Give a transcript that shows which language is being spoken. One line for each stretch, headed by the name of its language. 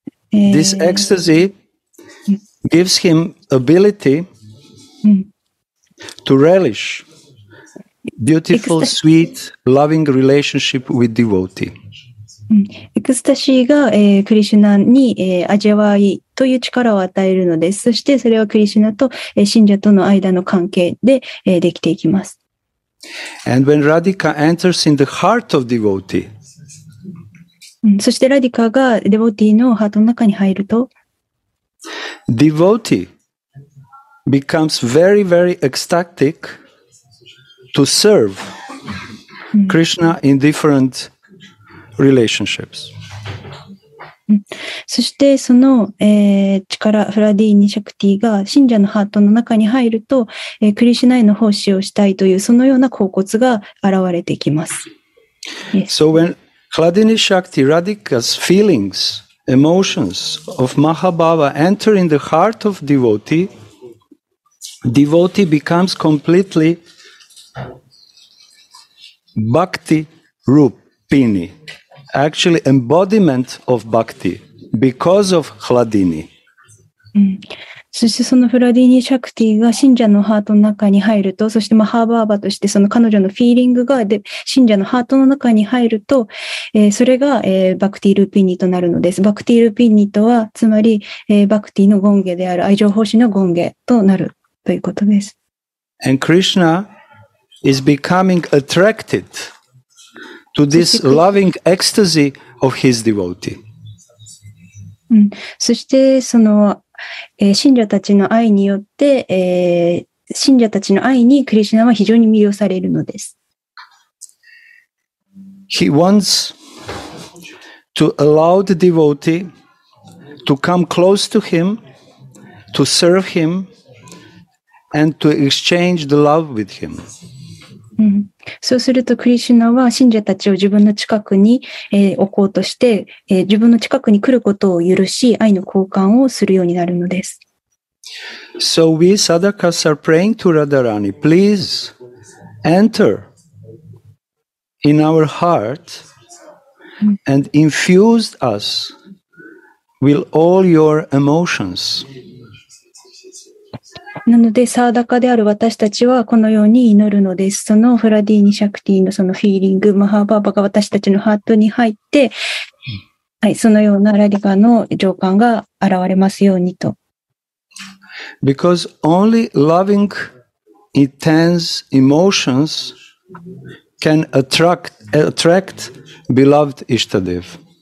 English: This ecstasy gives him ability to relish beautiful, sweet, loving relationship with devotee.
Japanese: エクスタシーが、クリシュナに、味わいという力を与えるのです。そしてそれはクリシュナと、信者との間の関係で、できていきます。
English: And when Radhika enters in the heart of devotee,
Japanese: そしてラディカがデボティのハートの中に入ると、
English: devotee becomes very, very ecstatic to serve Krishna in different relationships.
Japanese: そしてその、力、フラディーニシャクティが信者のハートの中に入ると、クリシュナへの奉仕をしたいというそのような恍惚が現れてきます。
English: So when Kladini Shakti Radhika's feelings, emotions of Mahabhava enter in the heart of devotee, devotee becomes completely bhakti rupini. Actually, embodiment of bhakti because of Kladini.
Japanese: そしてそのフラディニシャクティが信者のハートの中に入ると、そしてマハバーバとしてその彼女のフィーリングが信者のハートの中に入ると、それが、バクティルピニとなるのです。バクティルピニとは、つまり、バクティのゴンゲである、愛情奉仕のゴンゲとなるということです。
English: And Krishna is becoming attracted. To this loving ecstasy of his devotee.
Japanese: そしてその、信者たちの愛によって、信者たちの愛にクリシュナは非常に魅了されるのです。
English: He wants to allow the devotee to come close to him, to serve him, and to exchange the love with him.
Japanese: そうするとクリシュナは信者たちを自分の近くに、置こうとして、自分の近くに来ることを許し愛の交換をするようになるのです。
English: So we sadhakas are praying to Radharani, please enter in our heart and infuse us with all your emotions.
Japanese: なのでサーダカである私たちはこのように祈るのです。そのフラディーニシャクティのそのフィーリング、マハーバーバが私たちのハートに入って、はい、そのようなラディカの情感が現れますようにと。
English: Because only loving intense emotions can attract beloved Ishtadev.